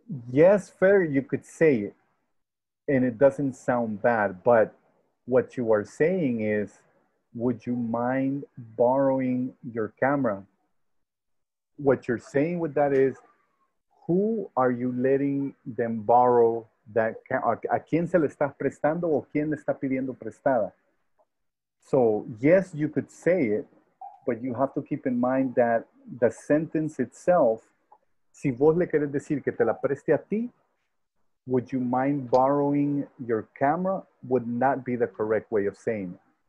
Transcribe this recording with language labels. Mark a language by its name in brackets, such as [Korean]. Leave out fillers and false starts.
[English] Yes, fair, you could say it, and it doesn't sound bad, but what you are saying is, would you mind borrowing your camera? What you're saying with that is, who are you letting them borrow that camera? [Spanish] ¿A quién se le está prestando o quién le está pidiendo prestada? [English] So yes, you could say it, but you have to keep in mind that the sentence itself, [Spanish] si vos le querés decir que te la preste a ti, [English] would you mind borrowing your camera, would not be the correct way of saying it.